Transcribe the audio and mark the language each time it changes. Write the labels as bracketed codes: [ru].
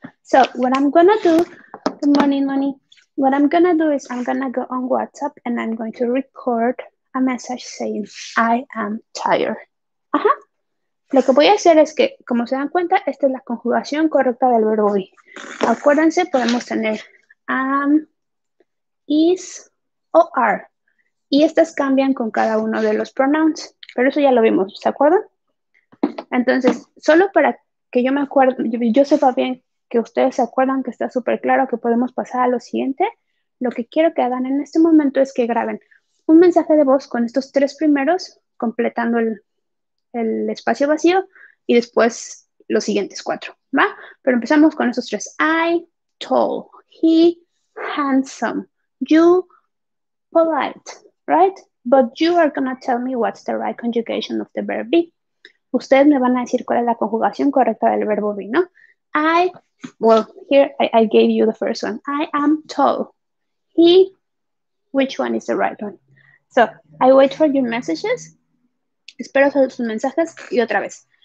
[en] So, what I'm going to do, good morning, Moni. What I'm going to do is I'm going to go on WhatsApp and I'm going to record a message saying, I am tired. Ajá. [es] Lo que voy a hacer es que, como se dan cuenta, esta es la conjugación correcta del verbo be. Acuérdense, podemos tener am, is o are. Y estas cambian con cada uno de los pronouns. Pero eso ya lo vimos, ¿se acuerdan? Entonces, solo para que yo me acuerde, yo sepa bien que ustedes se acuerdan, que está súper claro, que podemos pasar a lo siguiente. Lo que quiero que hagan en este momento es que graben un mensaje de voz con estos tres primeros, completando el espacio vacío, y después los siguientes cuatro, ¿va? Pero empezamos con estos tres. [en] I, tall. He, handsome. You, polite. Right? But you are going to tell me what's the right conjugation of the verb be. [es] Ustedes me van a decir cuál es la conjugación correcta del verbo be, ¿no? [en] I gave you the first one. I am tall. He, which one is the right one? So, I wait for your messages. [es] Espero sus mensajes y otra vez.